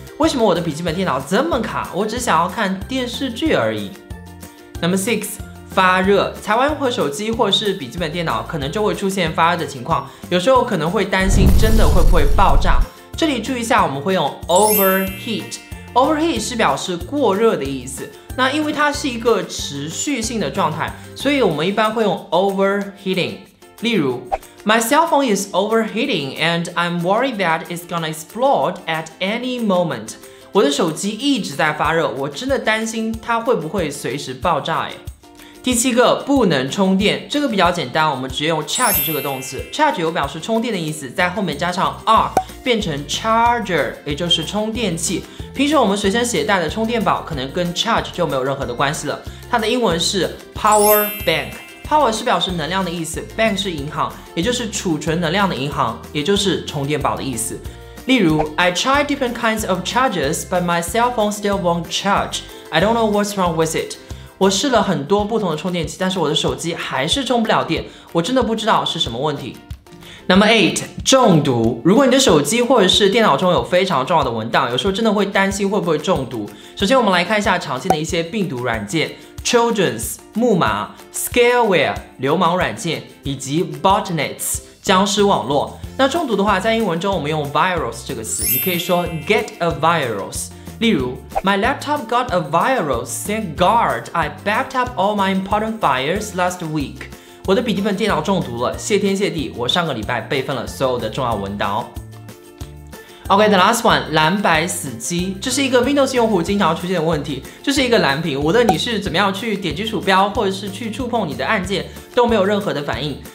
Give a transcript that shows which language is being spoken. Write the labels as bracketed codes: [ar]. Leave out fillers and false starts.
[zh] 为什么我的笔记本电脑这么卡？我只想要看电视剧而已。 [en] Number 6, 发热。 [zh] 才玩过手机或是笔记本电脑，可能就会出现发热的情况，有时候可能会担心真的会不会爆炸。这里注意一下，我们会用 overheat。overheat 是表示过热的意思，那因为它是一个持续性的状态，所以我们一般会用 overheating。例如 [en] My cell phone is overheating and I'm worried that it's gonna explode at any moment. [zh] 我的手机一直在发热，我真的担心它会不会随时爆炸耶。第七个，不能充电。这个比较简单，我们直接用 charge 这个动词。 charge 有表示充电的意思，在后面加上 r 变成 charger， 也就是充电器。平时我们随身携带的充电宝可能跟 charge 就没有任何的关系了，它的英文是 power bank。 Power 是表示能量的意思， Bank 是银行，也就是储存能量的银行，也就是充电宝的意思。例如 [en] I tried different kinds of chargers, but my cell phone still won't charge. I don't know what's wrong with it. [zh] 我试了很多不同的充电器，但是我的手机还是充不了电，我真的不知道是什么问题。 [en] Number 8, 中毒。 [zh] 如果你的手机或者是电脑中有非常重要的文档，有时候真的会担心会不会中毒。首先我们来看一下常见的一些病毒软件，Children's 木马 ，Scareware 流氓软件，以及 Botnets 僵尸网络。那中毒的话，在英文中我们用 virus 这个词，你可以说 get a virus。例如 [en] ，My laptop got a virus. Thank God I backed up all my important files last week. [zh] 我的笔记本电脑中毒了，谢天谢地，我上个礼拜备份了所有的重要文档。 [en] OK, the last one, [zh] 蓝白死机，这是一个 Windows 用户经常出现的问题，就是一个蓝屏，无论你是怎么样去点击鼠标或者是去触碰你的按键，都没有任何的反应。